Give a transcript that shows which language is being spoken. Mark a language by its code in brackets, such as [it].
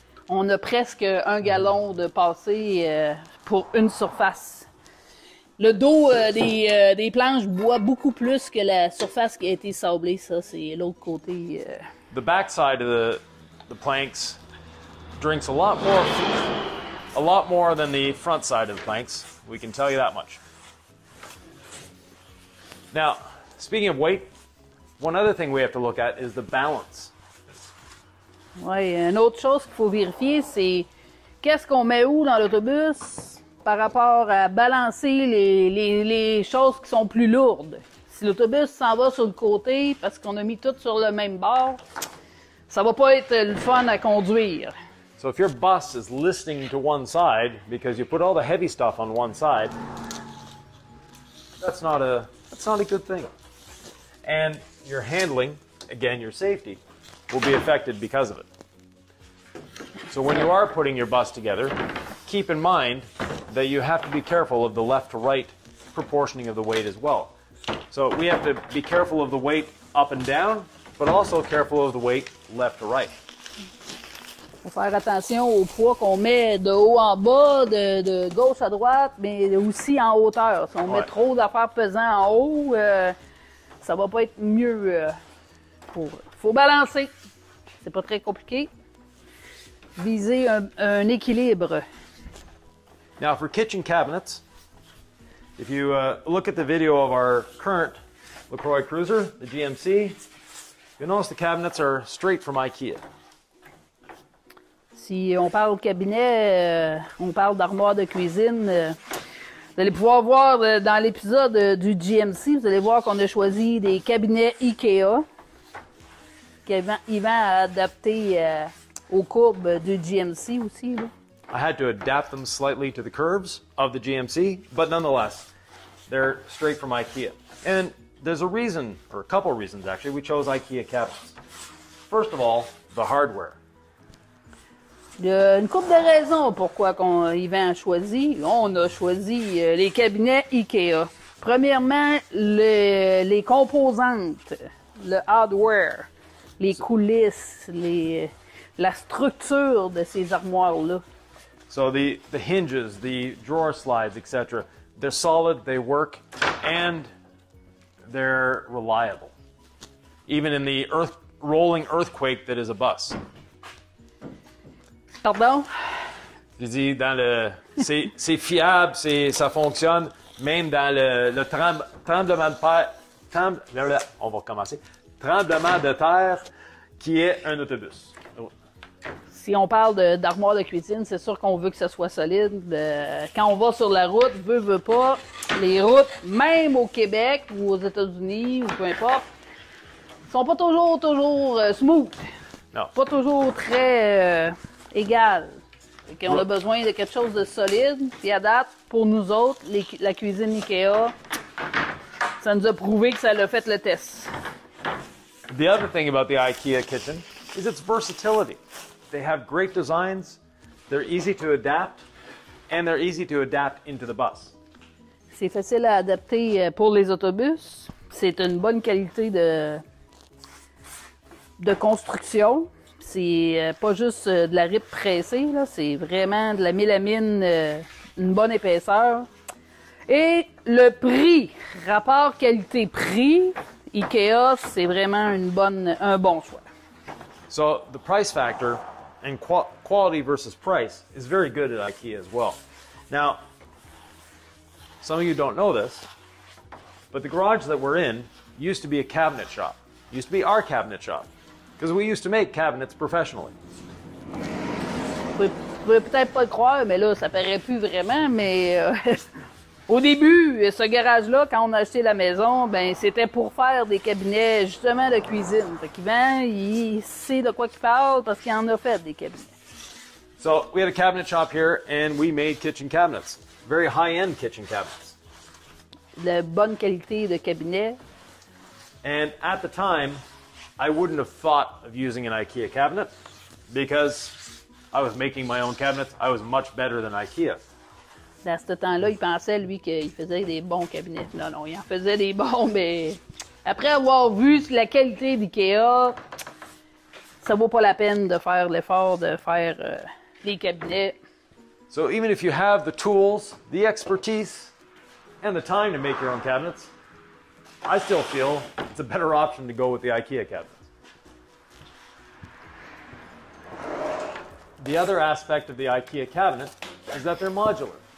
[fr] On a presque un gallon de passé pour une surface. Le dos des planches boit beaucoup plus que la surface qui a été sablée, ça, c'est l'autre côté. [en] The backside of the planks drinks a lot more than the front side of the planks, we can tell you that much. Now, speaking of weight, one other thing we have to look at is the balance. [fr] Oui, une autre chose qu'il faut vérifier, c'est qu'est-ce qu'on met où dans l'autobus? Par rapport à balancer les choses qui sont plus lourdes. Si l'autobus s'en va sur le côté parce qu'on a mis tout sur le même bord, ça va pas être le fun à conduire. [en] So if your bus is listening to one side because you put all the heavy stuff on one side, that's not a good thing. And your handling, again your safety, will be affected because of it. So when you are putting your bus together, keep in mind that you have to be careful of the left to right proportioning of the weight as well. So we have to be careful of the weight up and down, but also careful of the weight left to right. [fr] Faut faire attention au poids qu'on met de haut en bas, de gauche à droite, mais aussi en hauteur. Si on met trop d'affaires pesantes en haut, ça va pas être mieux. Faut balancer. C'est pas très compliqué. Viser un équilibre. [en] Now for kitchen cabinets, if you look at the video of our current Lacroix Cruiser, the GMC, you'll notice the cabinets are straight from IKEA. [fr] Si on parle cabinet, on parle d'armoire de cuisine, vous allez pouvoir voir dans l'épisode du GMC, vous allez voir qu'on a choisi des cabinets IKEA, qu'Yvan a adapté aux courbes du GMC aussi. Là. [en] I had to adapt them slightly to the curves of the GMC, but nonetheless, they're straight from IKEA. And there's a reason, or a couple reasons actually, we chose IKEA cabinets. First of all, the hardware. [fr] Il y a une couple de raisons pourquoi Yvan a choisi. On a choisi les cabinets IKEA. Premièrement, les composantes, le hardware, les coulisses, la structure de ces armoires-là. [en] So the hinges, the drawer slides, etc., they're solid, they work, and they're reliable. Even in the rolling earthquake that is a bus. [fr] Pardon? Je dis, c'est fiable, ça fonctionne, même dans tremblement de terre qui est un autobus. Si on parle d'armoire de cuisine, c'est sûr qu'on veut que ça soit solide. Quand on va sur la route, veut pas, les routes, même au Québec ou aux États-Unis ou peu importe, sont pas toujours smooth. Non. Pas toujours très égales. Donc, on a besoin de quelque chose de solide. Puis à date, pour nous autres, la cuisine IKEA, ça nous a prouvé que ça a fait le test. [en] The other thing about the IKEA kitchen is its versatility. They have great designs, they're easy to adapt, and they're easy to adapt into the bus. [fr] C'est facile à adapter pour les autobus. C'est une bonne qualité de construction. C'est pas juste de la rip pressée, là. C'est vraiment de la mélamine, une bonne épaisseur. Et le prix, rapport qualité-prix, IKEA, c'est vraiment un bon choix. [en] So, the price factor and quality versus price is very good at IKEA as well. Now, some of you don't know this, but the garage that we're in used to be a cabinet shop. It used to be our cabinet shop. Because we used to make cabinets professionally. [fr] Vous pouvez peut-être pas le croire, mais là, ça paraît plus vraiment, mais au début, ce garage-là, quand on a acheté la maison, ben c'était pour faire des cabinets justement de cuisine. Fait qu'Yvan, il sait de quoi qu'il parle parce qu'il en a fait des cabinets. [en] So, we had a cabinet shop here and we made kitchen cabinets. Very high-end kitchen cabinets. [fr] De bonne qualité de cabinet. [en] And at the time, I wouldn't have thought of using an IKEA cabinet because I was making my own cabinets. I was much better than IKEA. [fr] Dans ce temps-là, il pensait, lui, qu'il faisait des bons cabinets. Non, non, il en faisait des bons, mais après avoir vu la qualité d'IKEA, ça vaut pas la peine de faire l'effort de faire des cabinets. [en] So even if you have the tools, the expertise, and the time to make your own cabinets, I still feel it's a better option to go with the IKEA cabinets. The other aspect of the IKEA cabinet is that they're modular.